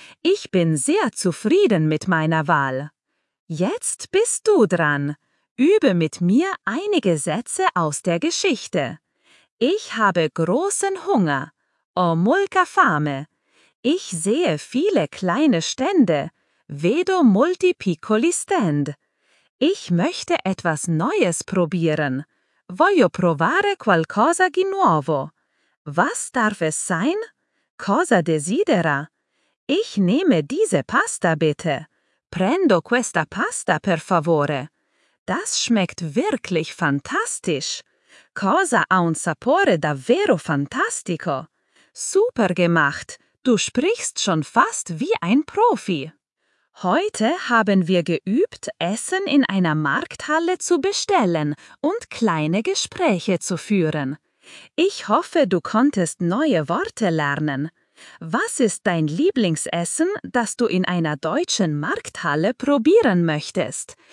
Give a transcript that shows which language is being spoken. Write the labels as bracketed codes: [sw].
[de] Ich bin sehr zufrieden mit meiner Wahl. Jetzt bist du dran. Übe mit mir einige Sätze aus der Geschichte. Ich habe großen Hunger. [it] Ho molta fame. [de] Ich sehe viele kleine Stände. [it] Vedo molti piccoli stand. [de] Ich möchte etwas Neues probieren. [it] Voglio provare qualcosa di nuovo. [de] Was darf es sein? [it] Cosa desidera? [de] Ich nehme diese Pasta bitte. [it] Prendo questa pasta per favore. [de] Das schmeckt wirklich fantastisch. [it] Cosa ha un sapore davvero fantastico. [de] Super gemacht. Du sprichst schon fast wie ein Profi. Heute haben wir geübt, Essen in einer Markthalle zu bestellen und kleine Gespräche zu führen. Ich hoffe, du konntest neue Worte lernen. Was ist dein Lieblingsessen, das du in einer deutschen Markthalle probieren möchtest?